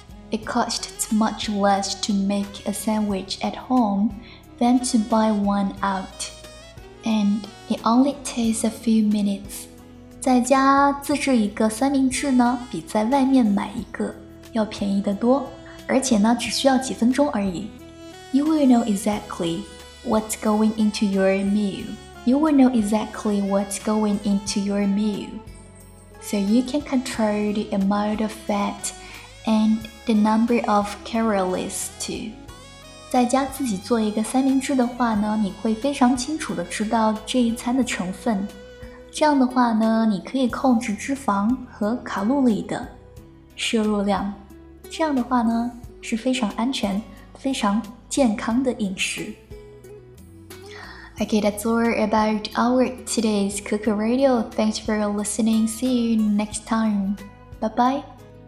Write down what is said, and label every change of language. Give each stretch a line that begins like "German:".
English: It costs much less to make a sandwich at home than to buy one out. And it only takes a few minutes.
Chinese: 在家自制一个三明治呢，比在外面买一个要便宜得多，而且呢，只需要几分钟而已。
English: You will know exactly what's going into your meal. You will know exactly what's going into your meal. So you can control the amount of fat and the number of calories too.
Chinese: 在家自己做一个三明治的话呢，你会非常清楚地知道这一餐的成分。这样的话呢，你可以控制脂肪和卡路里的摄入量。这样的话呢，是非常安全、非常健康的饮食。
English: Okay, that's all about our today's Kuku Radio. Thanks for listening. See you next time. Bye bye.